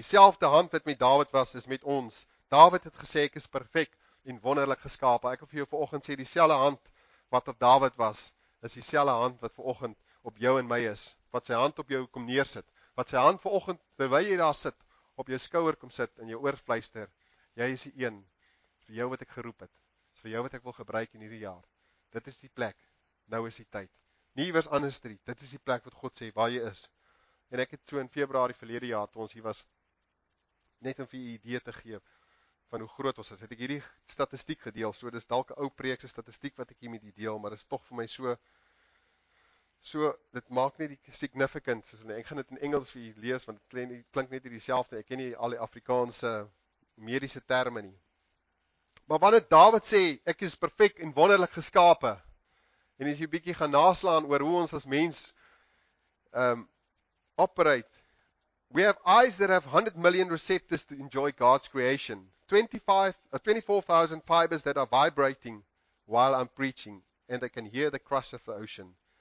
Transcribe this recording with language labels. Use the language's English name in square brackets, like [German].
[Afrikaans] Selfde hand wat met Dawid was, is met ons. Dawid het gesê: "Ek is perfek en wonderlik geskape." Ek wil vir jou vanoggend sê, dieselfde hand wat op Dawid was, is dieselfde hand wat vanoggend op jou en my is, wat sy hand op jou kom neersit, wat sy hand vanoggend terwyl jy daar sit, op jou skouer kom sit en jou oor fluister: "Jy is die een vir jou wat ek geroep het, vir jou wat ek wil gebruik in hierdie jaar. Dit is die plek, nou is die tyd. Nie iewers anders nie, dit is die plek wat God sê waar jy is." En ek het so in Februarie verlede jaar, toe ons hier was, net om vir jy idee te gee van hoe groot ons is, het ek hierdie statistiek gedeel. So dis dalk 'n ou preekse statistiek wat ek hier met jy deel, maar dis tog vir my so, dit maak net die significance, en ek gaan dit in Engels vir jy lees, want het klink net hier dieselfde, ek ken nie al die Afrikaanse medische termen nie. Maar wanneer Dawid sê, ek is perfek en wonderlik geskape, en as jy bietjie gaan naslaan oor hoe ons as mens operate: [English] "We have eyes that have 100 million receptors to enjoy God's creation, 24,000 fibers that are vibrating while I'm preaching, and they can hear the crush of the ocean.